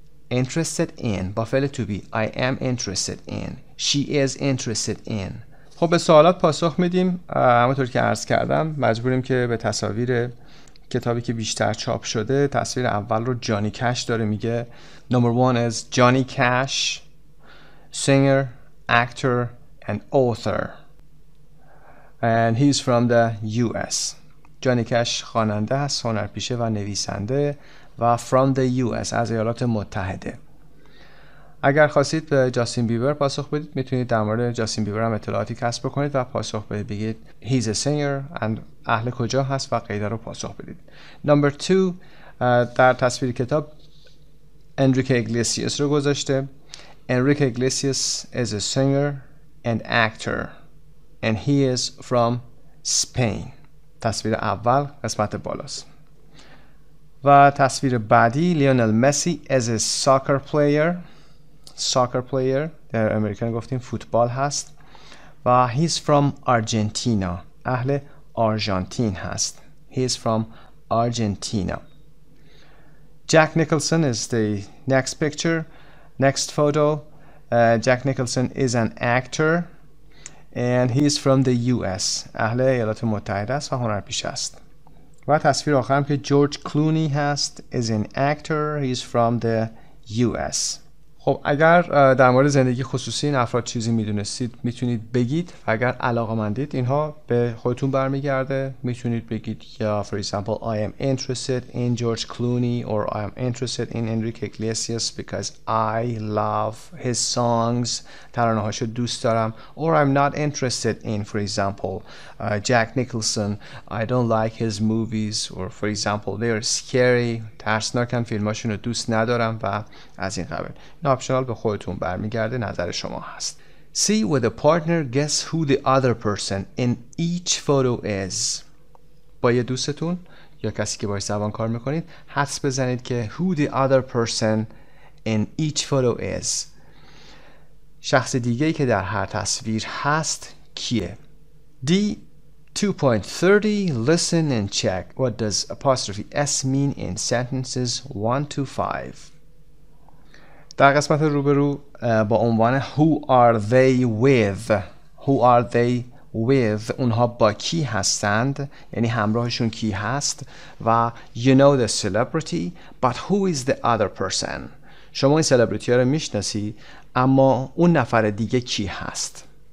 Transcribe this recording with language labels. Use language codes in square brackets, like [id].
[en] Interested in [fa] با فعل [en] to be. I am interested in. She is interested in. [fa] خب به سوالات پاسخ میدیم. همونطور که عرض کردم مجبوریم که به تصاویر کتابی که بیشتر چاپ شده، تصویر اول رو جانی کش داره میگه. [en] Number one is Johnny Cash, singer, actor and author. And he's from the US. [fa] جانی کش خواننده است، هنرپیشه و نویسنده و [en] from the US، [fa] از ایالات متحده. اگر خواستید به جاستین بیبر پاسخ بدید، میتونید در مورد جاستین بیبر هم اطلاعاتی کسب بکنید و پاسخ بدید، بگید [en] he's a singer and [fa] اهل کجا هست و غیره رو پاسخ بدید. [en] Number two، [fa] در تصویر کتاب انریک اگلیسیس رو گذاشته. [en] Enrique Iglesias is a singer and actor and he is from Spain. [fa] تصویر اول قسمت بالاست. و تصویر بعدی لیونل مسی [en] is a soccer player. [fa] Soccer player در امریکن گفتیم فوتبال هست و [en] he's from Argentina، [fa] اهل آرژانتین هست. [en] He's from Argentina. Jack Nicholson is the next picture, next photo. Jack Nicholson is an actor and he's from the US، [fa] اهل ایالات متحده است و هنرپیشه است. و تصویر آخرم که جورج کلونی هست، [en] is an actor، he's from the US. [fa] خب اگر در مورد زندگی خصوصی این افراد چیزی میدونستید میتونید بگید، [en] و اگر علاقه‌مندید اینها به خودتون برمیگرده، میتونید بگید یا for example I am interested in George Clooney or I am interested in Enrique Iglesias because I love his songs، [fa] ترانه‌هاشو دوست دارم، [en] or I'm not interested in for example Jack Nicholson، I don't like his movies، or for example they are scary، [fa] ترسناکن، فیلماشونو دوست ندارم و از این قبیل. اپشنال به خودتون برمیگرده، نظر شما هست. [en] See with a partner guess who the other person in each photo is. [fa] با یه دوستتون یا کسی که باهاش زبان کار میکنید حدس بزنید که [en] who the other person in each photo is. [fa] شخص دیگه‌ای که در هر تصویر هست کیه. [en] D 2.30 listen and check what does apostrophe s mean in sentences 1-5. [fa] در قسمت روبرو با عنوان [en] Who are they with؟ [fa] Who are they with؟ اونها با کی هستند؟ یعنی همراهشون کی هست؟ و [en] You know the celebrity but who is the other person؟ [fa] شما این سلبریتی ها رو میشناسی اما اون نفر دیگه کی هست؟